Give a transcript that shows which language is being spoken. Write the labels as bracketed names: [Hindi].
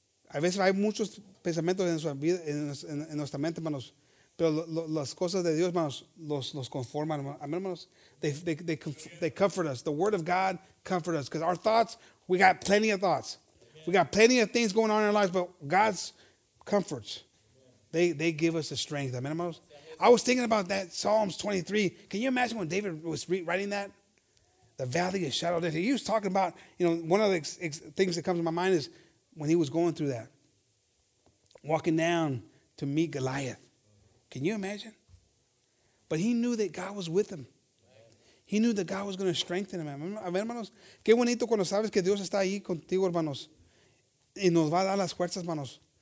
[Spanish] A veces hay muchos pensamientos en su vida, en nuestra mente, hermanos. Pero las cosas de Dios, hermanos, los conforman. Amén, hermanos. [English] They comfort us. The Word of God comfort us. Because our thoughts, we got plenty of thoughts. Amen. We got plenty of things going on in our lives. But God's comforts, they give us the strength. [Spanish] Amén, hermanos. [English] I was thinking about that Psalms 23. Can you imagine when David was writing that? The valley of shadow death. He was talking about, you know, one of the things that comes to my mind is when he was going through that, walking down to meet Goliath. Can you imagine? But he knew that God was with him. He knew that God was going to strengthen him. [Spanish] A ver, hermanos, qué bonito cuando sabes que Dios está ahí contigo, hermanos. Y nos va a dar las fuerzas, hermanos.